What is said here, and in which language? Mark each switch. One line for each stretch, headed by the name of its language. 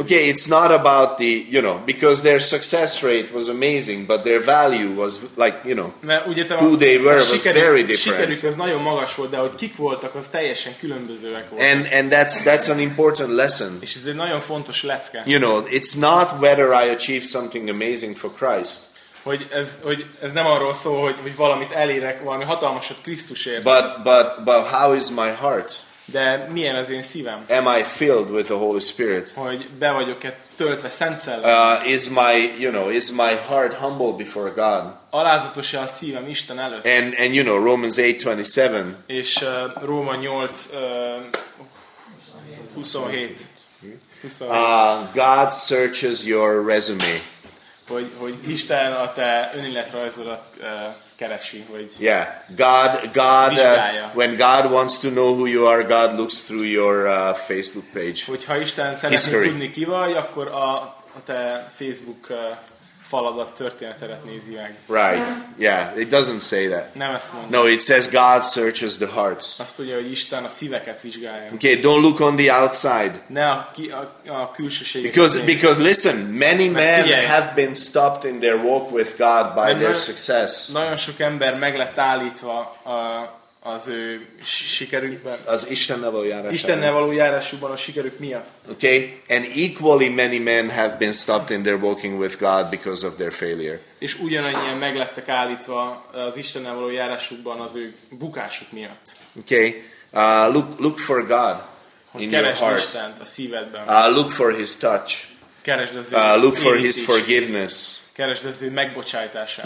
English: Okay, it's not about the, you know, because their success rate was amazing, but their value was like, you know, who they were was very different.
Hungarian: Sikerük az nagyon magas volt, de hogy kik voltak, az teljesen különbözőek voltak.
English: And that's an important lesson.
Hungarian: És ez egy nagyon fontos lecke.
English: You know, it's not whether I achieve something amazing for Christ.
Hungarian: Hogy ez nem arról szól, hogy valamit elérek, valami hatalmasat Krisztusért.
English: But how is my heart?
Hungarian: De milyen az én szívem?
English: Am I filled with the Holy Spirit?
Hungarian: Hogy be vagyok-e töltve Szent
English: Szellemmel? Is my heart humble before God?
Hungarian: Alázatos-e a szívem Isten előtt?
English: And you know, Romans 8:27.
Hungarian: És Róma 8:27.
English: God searches your resume.
Hungarian: Hogy Isten a te önéletrajzodat keresi, vagy
English: yeah, God when God wants to know who you are, God looks through your Facebook page.
Hungarian: Hogyha Isten szeretné tudni, ki vagy, akkor a te Facebook faladat, történetedet nézi meg.
English: Right. Yeah, it doesn't say that.
Hungarian: Nem ezt mondja.
English: No, it says God searches the hearts.
Hungarian: Azt mondja, hogy Isten a szíveket vizsgálja.
English: Okay, don't look on the outside.
Hungarian: Ne a külsőségeket.
English: Because listen, many men have been stopped in their walk with God by their success.
Hungarian: Nagyon sok ember meg lett állítva az ő sikerükben. Az Istennel való járásában. Istennel való járásukban a sikerük miatt.
English: Okay, and equally many men have been stopped in their walking with God because of their failure.
Hungarian: És ugyanannyian meglettek állítva az Istennel való járásukban az ő bukásuk miatt.
English: Okay, look for God in your heart.
Hungarian: Keresd Istent a szívedben.
English: Look for His touch.
Hungarian: Keresd az ő
English: érintését. Look for His forgiveness.
Hungarian: Keresd az ő megbocsátását.